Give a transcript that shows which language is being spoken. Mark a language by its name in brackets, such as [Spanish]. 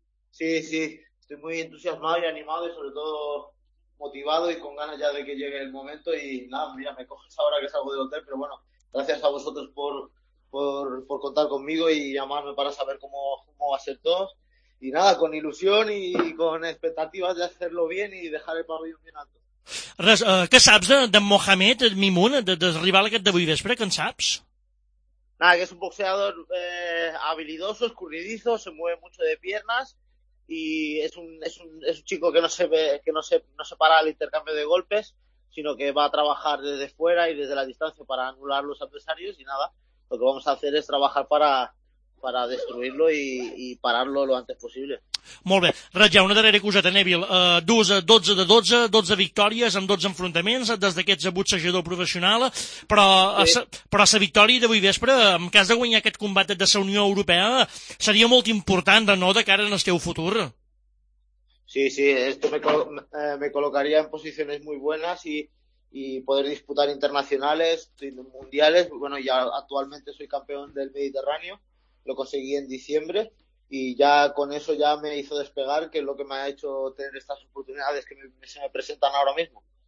[Spanish] Sí, sí, estoy muy entusiasmado y animado, y sobre todo motivado y con ganas ya de que llegue el momento. Y nada, mira, me coges ahora que salgo del hotel, pero bueno, gracias a vosotros por contar conmigo y llamarme para saber cómo va a ser todo. Y nada, con ilusión y con expectativas de hacerlo bien y dejar el pabellón bien alto. [Catalan] Res, què saps de Mohamed Mimoun, de rival aquest d'avui vespre, que en saps? [Spanish] Nada, que es un boxeador habilidoso, escurridizo, se mueve mucho de piernas y es un chico que no se para al intercambio de golpes, sino que va a trabajar desde fuera y desde la distancia para anular los adversarios. Y nada, lo que vamos a hacer es trabajar para destruirlo y pararlo lo antes posible. [Catalan] Molt bé. Raja, una darrera coseta, Neville. 12 victòries en 12 enfrontaments des d'aquest boxejador professional, però la victòria d'avui vespre, en cas de guanyar aquest combat de la Unió Europea, seria molt important, no?, de cara en el teu futur. [Spanish] Sí, sí, esto me colocaría en posiciones muy buenas y poder disputar internacionales, mundiales. Bueno, ya actualmente soy campeón del Mediterráneo, lo conseguí en diciembre, y ya con eso ya me hizo despegar, que es lo que me ha hecho tener estas oportunidades que se me presentan ahora mismo.